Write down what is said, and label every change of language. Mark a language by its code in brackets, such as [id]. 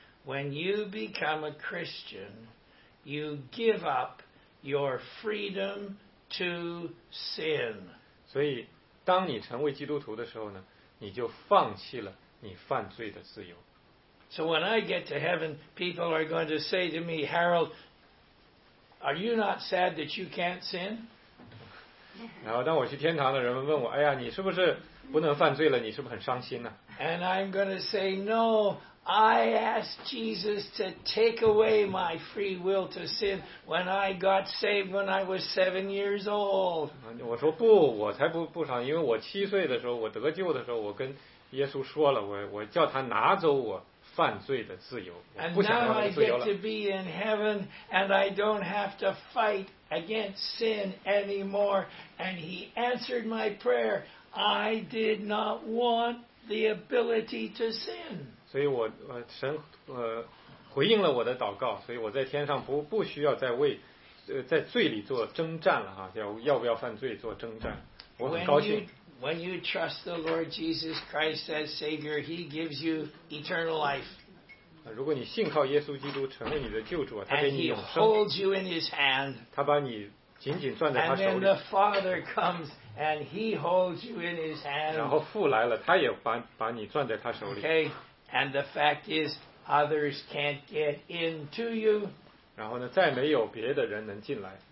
[en] When you become a Christian, you give up your freedom to sin. [zh] 所以，当你成为基督徒的时候呢，你就放弃了你犯罪的自由。 [en] So when I get to heaven, people are going to say to me, Harold, are you not sad that you can't sin? [zh] 然后当我去天堂的人们问我，哎呀，你是不是不能犯罪了？你是不是很伤心呢？ [en] And I'm going to say no. I asked Jesus to take away my free will to sin when I got saved when I was 7 years old. [zh] 我说不，我才不傻，因为我七岁的时候，我得救的时候，我跟耶稣说了，我叫他拿走我犯罪的自由，我不想要他的自由了。 [en] And now I get to be in heaven, and I don't have to fight against sin anymore. And he answered my prayer. I did not want the ability to sin. [zh] 所以我神回应了我的祷告，所以我在天上不需要再为在罪里做征战了哈，要不要犯罪做征战，我很高兴。 [en] When you trust the Lord Jesus Christ as Savior, He gives you eternal life. [zh] 如果你信靠耶稣基督成为你的救主，他给你永生。 [en] And He holds you in His hand. [zh] 他把你紧紧攥在他手里。 [en] And then the Father comes. And he holds you in his hand. [zh] 然后父来了，他也把你攥在他手里。 [en] Okay, and the fact is, others can't get into you. [zh] 然后呢，再没有别的人能进来。